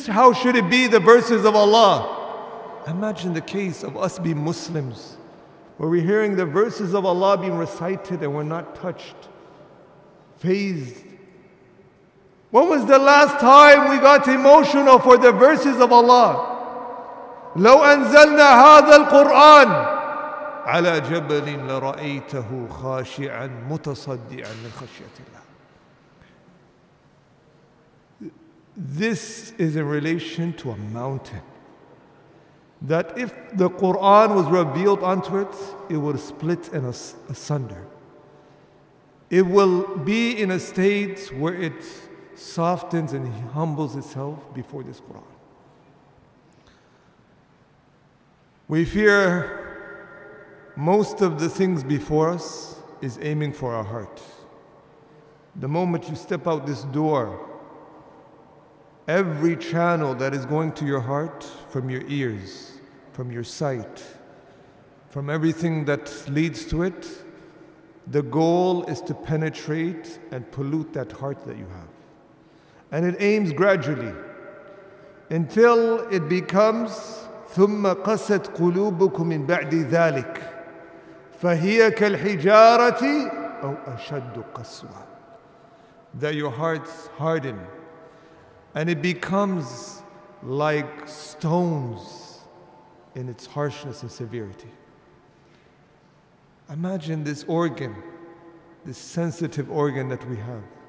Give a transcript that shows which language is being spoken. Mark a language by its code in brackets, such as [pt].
[en] How should it be, the verses of Allah? Imagine the case of us being Muslims, where we're hearing the verses of Allah being recited and we're not touched, fazed. When was the last time we got emotional for the verses of Allah? [ar] لو أنزلنا هذا القرآن على جبل لرأيته خاشعا متصدعا من خشية الله. [en] This is in relation to a mountain, that if the Quran was revealed onto it, it would split and asunder. It will be in a state where it softens and humbles itself before this Quran. We fear most of the things before us is aiming for our heart. The moment you step out this door, every channel that is going to your heart, from your ears, from your sight, from everything that leads to it, the goal is to penetrate and pollute that heart that you have. And it aims gradually until it becomes [ar] ثُمَّ قَسَتْ قُلُوبُكُمْ مِنْ بَعْدِ ذَلِكَ فَهِيَ كَالْحِجَارَةِ أَوْ أَشَدُّ قَسْوَةً. [en] That your hearts harden and it becomes like stones in its harshness and severity. Imagine this organ, this sensitive organ that we have.